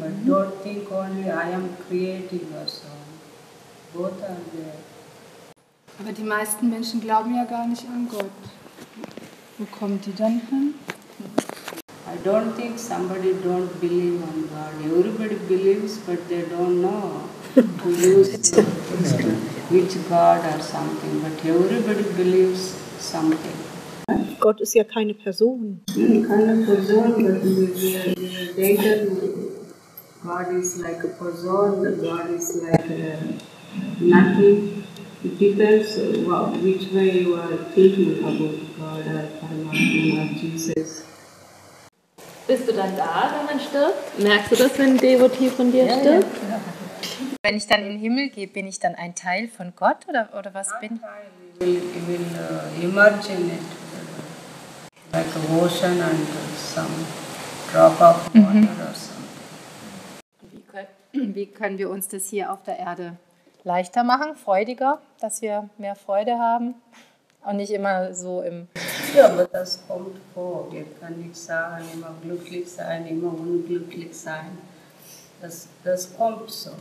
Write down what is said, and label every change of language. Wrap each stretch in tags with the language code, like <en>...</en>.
<en>But don't think only I am creating or so. Both are there.</en> <de>Aber die meisten Menschen glauben ja gar nicht an Gott. Wo kommen die dann hin?</de> <en>I don't think somebody don't believe on God. Everybody believes, but they don't know to use which God or something. But everybody believes something.</en> <de>Gott ist ja keine Person. Keine Person,</de> <en>God is like a person, God is like nothing. It depends which way you are thinking about God or Paramatma or Jesus.</en> <de>Bist du dann da, wenn man stirbt? Merkst du das, wenn ein Devotee von dir stirbt? Ja, ja. Wenn ich dann in den Himmel gehe, bin ich dann ein Teil von Gott oder was bin</de> <en>ich? Will emerge in it. Like a ocean and some drop of water or something.</en> <de>Wie können wir uns das hier auf der Erde leichter machen, freudiger, dass wir mehr Freude haben und nicht immer so im... Ja, aber das kommt vor. Wir können nicht sagen, immer glücklich sein, immer unglücklich sein. Das kommt so.</de>